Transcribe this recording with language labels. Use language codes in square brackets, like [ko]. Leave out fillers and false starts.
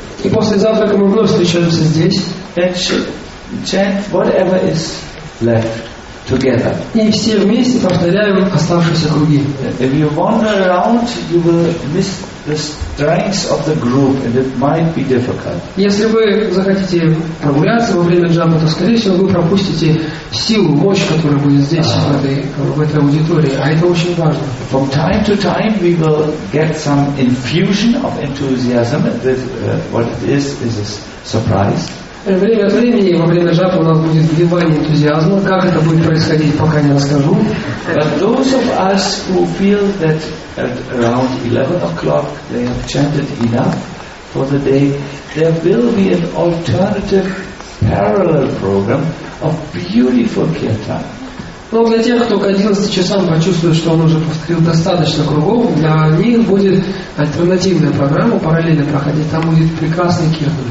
[ru] И после завтрака мы вновь встречаемся здесь. [en] And chant whatever is left together. [ru] И все вместе повторяем оставшиеся круги. [en] If you wander around, you will miss the strength of the group, and it might be difficult. [ru] Если вы захотите прогуляться во время джапы, то, скорее всего, вы пропустите силу, мощь, которая будет здесь, в этой аудитории. А это очень важно. [en] From time to time, we will get some infusion of enthusiasm. That what it is a surprise. [ru] Время от времени во время джапы у нас будет вливание энтузиазма. Как это будет происходить, пока не расскажу. [en] But those of us who feel that at around 11 o'clock they have chanted enough for the day, there will be an alternative parallel program of beautiful kirtan. [ru] Но для тех, кто к 11 часам почувствует, что он уже повторил достаточно кругов, для них будет альтернативная программа, параллельно проходить, там будет прекрасный киртан.